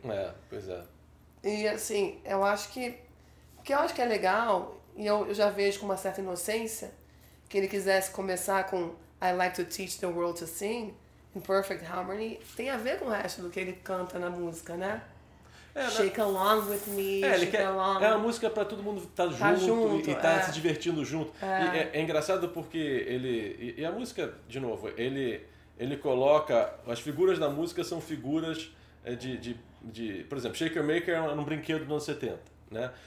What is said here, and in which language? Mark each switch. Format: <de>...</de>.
<pt>É, pois é. E assim, eu acho que... O que eu acho que é legal, e eu já vejo com uma certa inocência, que ele quisesse começar com</pt> <en>I like to teach the world to sing in perfect harmony,</en> <pt>tem a ver com o resto do que ele canta na música, né?</pt> <en>Shake along with me, shake along.</en> <pt>É uma música para todo mundo estar junto, se divertindo junto. É. E é engraçado porque ele... E a música, de novo, ele coloca... As figuras da música são figuras de por exemplo, Shaker Maker é um brinquedo dos anos 70. Né?</pt>